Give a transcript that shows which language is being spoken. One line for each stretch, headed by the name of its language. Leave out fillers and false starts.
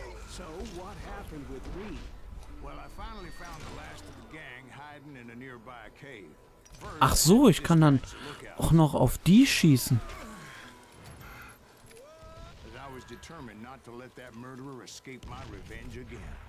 English: So, what happened with Reed? Well, I finally found the last of the gang hiding in a nearby cave.
German: Ach so, ich kann dann auch noch auf die schießen.
English: I was determined not to let that murderer escape my revenge again.